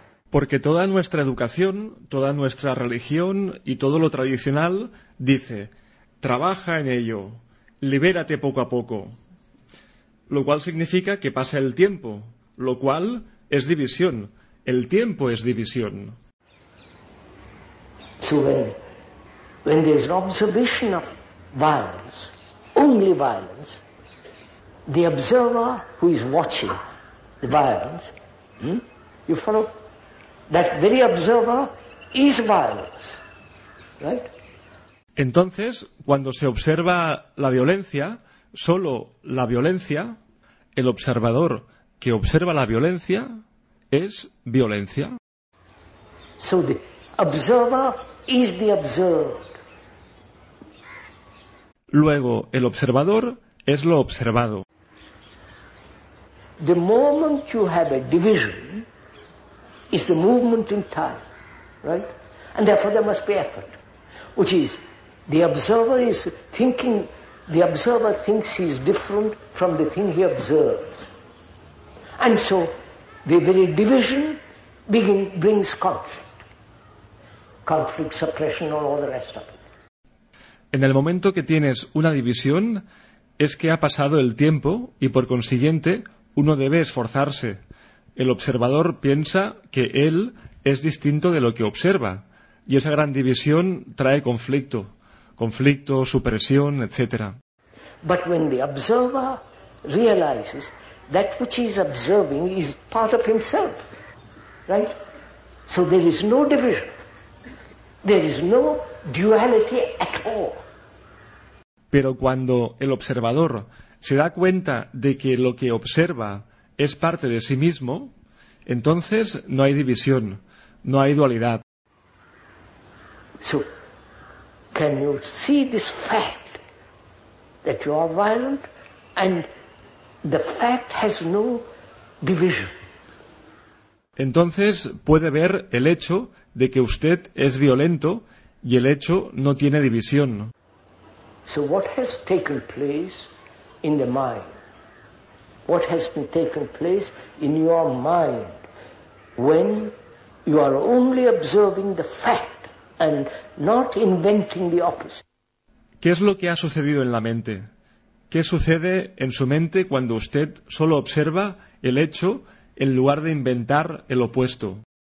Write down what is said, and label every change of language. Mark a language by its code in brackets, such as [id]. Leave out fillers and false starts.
[es] Porque toda nuestra educación, toda nuestra religión y todo lo tradicional dice, trabaja en ello, libérate poco a poco. Lo cual significa que pasa el tiempo, lo cual es división. El tiempo es división. [en] So when there is an observation of violence, only violence, the observer who is watching the violence, you follow? That very observer is violence, right? [es] Entonces, cuando se observa la violencia, solo la violencia, el observador que observa la violencia es violencia. [en] So the observer is the observed. [es] Luego, el observador es lo observado. [en] The moment you have a division is the movement in time, right? And therefore there must be effort, which is the observer is thinking, the observer thinks he's different from the thing he observes. And so the very division brings conflict. Conflict, suppression, and all the rest of it. [es] En el momento que tienes una división, es que ha pasado el tiempo y por consiguiente uno debe esforzarse. El observador piensa que él es distinto de lo que observa, y esa gran división trae conflicto, conflicto, supresión, etc. [en] But when the observer realizes that which he is observing is part of himself, right? So there is no division, there is no duality at all. [es] Pero cuando el observador se da cuenta de que lo que observa es parte de sí mismo, entonces no hay división, no hay dualidad. [en] So, can you see this fact that you are violent and The fact has no division. [es] Entonces puede ver el hecho de que usted es violento y el hecho no tiene división. [en] So what has taken place in the mind? What has taken place in your mind when you are only observing the fact and not inventing the opposite? [es] ¿Qué es lo que ha sucedido en la mente? ¿Qué sucede en su mente cuando usted solo observa el hecho en lugar de inventar el opuesto?